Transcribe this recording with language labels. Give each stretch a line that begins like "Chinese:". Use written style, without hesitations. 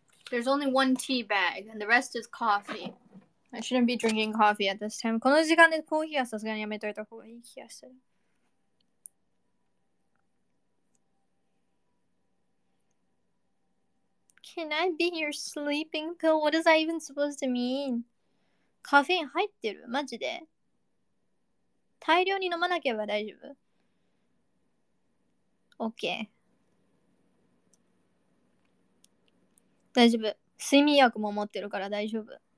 English: There's only one tea bag, and the rest is coffee. I shouldn't be drinking coffee at this time.
Japanese: この時間でコーヒーはさすがにやめといた方がいい気がする。
English: Can I be your sleeping pill? What is that even supposed to mean?
Japanese: カフェイン入ってる？マジで？大量に飲まなければ大丈夫？ OK。大丈夫。睡眠薬も持ってるから大丈夫。